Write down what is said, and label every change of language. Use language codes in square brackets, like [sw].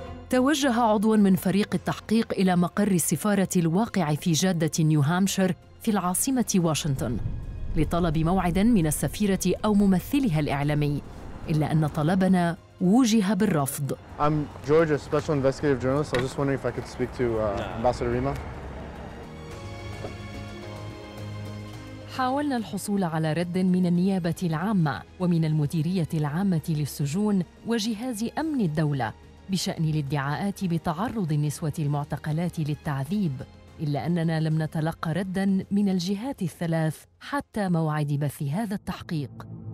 [ar] توجه عضو من فريق التحقيق إلى مقر السفارة الواقع في جادة نيوهامشير في العاصمة واشنطن لطلب موعداً من السفيرة أو ممثلها الإعلامي، إلا أن طلبنا وجه بالرفض. [en] I'm George, a special investigative journalist. I was just wondering if I could speak to Ambassador Rima. [ar] حاولنا الحصول على رد من النيابة العامة ومن المديرية العامة للسجون وجهاز أمن الدولة بشأن الادعاءات بتعرض النسوة المعتقلات للتعذيب، إلا أننا لم نتلقى رداً من الجهات الثلاث حتى موعد بث هذا التحقيق.